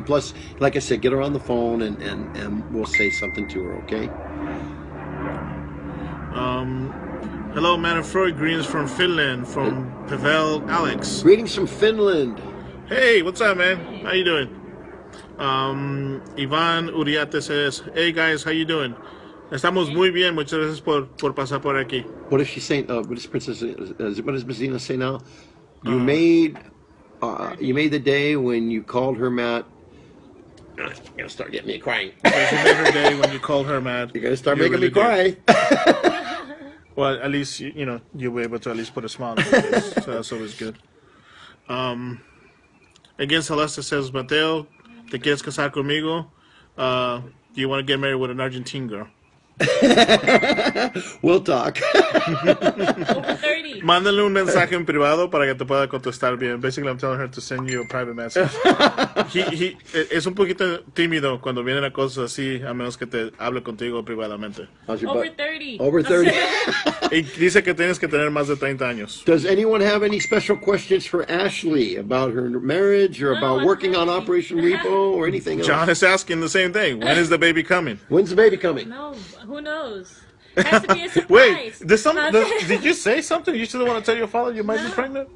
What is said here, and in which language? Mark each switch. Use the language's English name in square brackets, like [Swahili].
[English] Plus, like I said, get her on the phone and we'll say something to her, okay? Hello, Man and Freud. Greetings from Finland, from Pavel Alex. Greetings from Finland. Hey, what's up, man? How you doing? Iván Uriate says, hey guys, how you doing? [Spanish] Estamos muy bien, muchas gracias por pasar por aquí. [English] What is she saying? What is Miss Zina saying now? You made the day when you called her, Matt. You're gonna start getting me crying. You made her day when you called her, Matt. You're gonna start making me cry. Well, at least, you know, you were able to at least put a smile on her face, so that's always good. Again, Celeste says, [Spanish] Mateo, ¿te quieres casar conmigo? [English] Do you want to get married with an Argentine girl? We'll talk. [Spanish] Mándale un mensaje en privado para que te pueda contestar bien. [English] Basically, I'm telling her to send you a private message. [Spanish] Es un poquito tímido cuando vienen a cosas así, a menos que te hable contigo privadamente. [English] Over 30. [Spanish] Y dice que tienes que tener más de 30 años. [English] Does anyone have any special questions for Ashley about her marriage or about working on Operation Repo or anything else? John is asking the same thing. When is the baby coming? When's the baby coming? No, who knows? It has to be a surprise. Wait, did you say something? You shouldn't want to tell your father you might be pregnant?